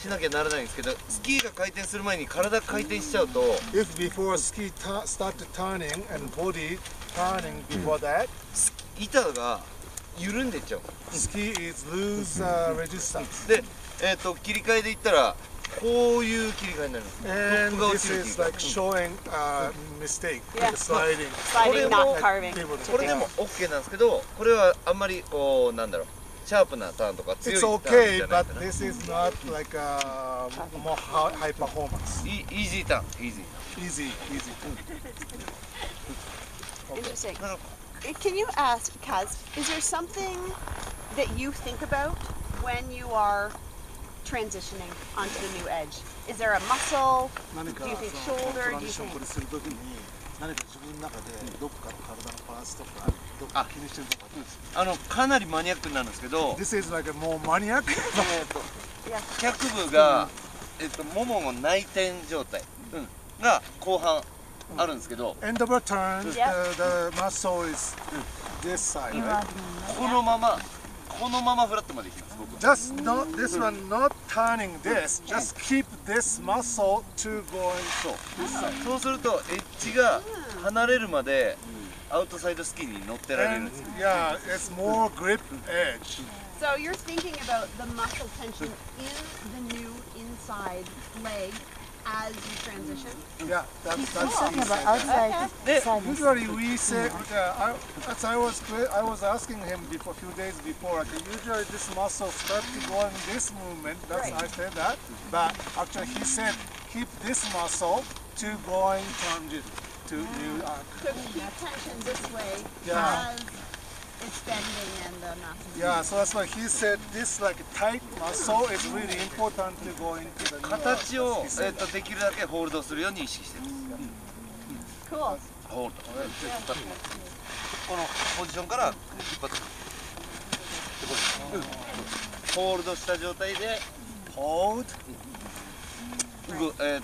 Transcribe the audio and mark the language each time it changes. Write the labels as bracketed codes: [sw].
[ja] しなきゃならないんですけど、スキーが回転する前に体が回転しちゃうと。 [en] If before ski start turning and body turning before that, [ja] 板が緩んでいっちゃう。 [en] Ski is lose resistance. [ja] で、切り替えでいったら。こういう切り替えになります。 [en] And this is like showing a mistake, like sliding. Sliding, not carving. [ja] これでも OK なんですけど、これはあんまりこう、なんだろう、シャープなターンとか強いターンじゃないかな。 [en] It's OK, but this is not like a more high performance. Easy ターン、easy. Easy. Interesting. Can you ask, Kaz, is there something that you think about when you are... transitioning onto the new edge. Is there a muscle? Do you think shoulder? Do you think? [ja] これするときに何か自分の中でどこかの体のバランスとかどこか気にしてるとかどうですか？かなりマニアックなんですけど。 [en] This is like a more maniac. [ja] 脚部がももの内転状態が後半あるんですけど。 [en] End of a turn. The muscle is this side. [ja] このまま。このままフラットまで行きます。 [en] Just not this one, not turning this. Just keep this muscle to go so. [ja] そうするとエッジが離れるまでアウトサイドスキーに乗ってられる。 [en] Yeah, it's more grip edge. So you're thinking about the muscle tension in the new inside leg as you transition? Yeah, that's talking about outside. Usually we say, as I was asking him before, a few days before, like, usually this muscle starts to go in this movement, that's right. I said that, but actually he said, keep this muscle to go in transition, to new arc. So keep tension this way as it's bending in the muscle. Yeah, so that's why he said this like tight muscle is really important to go into the new arc. [ja] 形を、できるだけホールドするように意識してます。 [en] Cool. [ja] このポジションから引っ張ってくる。ホールドした状態で、ホール